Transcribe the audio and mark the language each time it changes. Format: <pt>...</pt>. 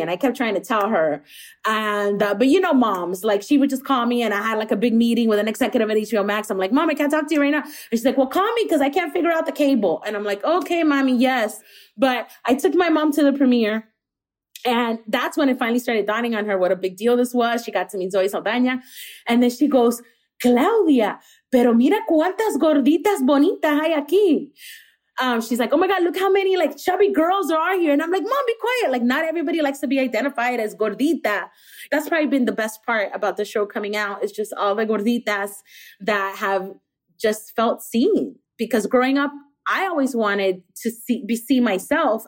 <en>And I kept trying to tell her. But you know, moms, like, she would just call me, and I had like a big meeting with an executive at HBO Max. I'm like, mom, I can't talk to you right now. And she's like, well, call me, because I can't figure out the cable. And I'm like, okay, mommy, yes. But I took my mom to the premiere, and that's when it finally started dawning on her what a big deal this was. She got to meet Zoe Saldana. And then she goes,</en> <es>Claudia, pero mira cuantas gorditas bonitas hay aquí.</es> <en>She's like, oh my God, look how many like chubby girls there are here. And I'm like, mom, be quiet. Like, not everybody likes to be identified as gordita. That's probably been the best part about the show coming out. It's just all the gorditas that have just felt seen. Because growing up, I always wanted to see myself.</en>